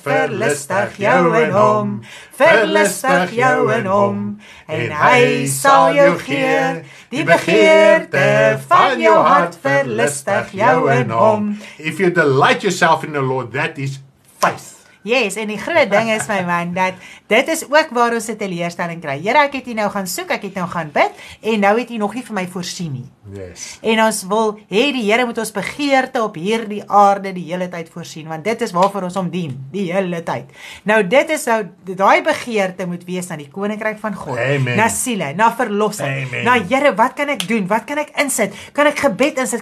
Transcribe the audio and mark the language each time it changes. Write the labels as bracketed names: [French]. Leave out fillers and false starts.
[Afrikaans] Verlustig jou in hom. Verlustig jou in hom en hy sal jou gee die begeerte van jou hart. Verlustig jou in hom. [English] If you delight yourself in the Lord, that is faith. Yes, [Afrikaans] en die groot ding is my man, dat dit is ook waar ons het 'n leerstelling kry. Here, ek het U nou gaan soek, ek het nou gaan bid, en nou het U nog nie vir my voorsien nie. [English] Yes. [Afrikaans] En ons wil, die Here moet ons begeerte op hierdie aarde die hele tyd voorsien, want dit is waarvoor ons om dien, die hele tyd. Nou, dit is nou, daai begeerte moet wees na die koninkryk van God. Amen. Na siele, na verlossing. Amen. Na Here, wat kan ek doen? Wat kan ek insit? Kan ek gebed insit?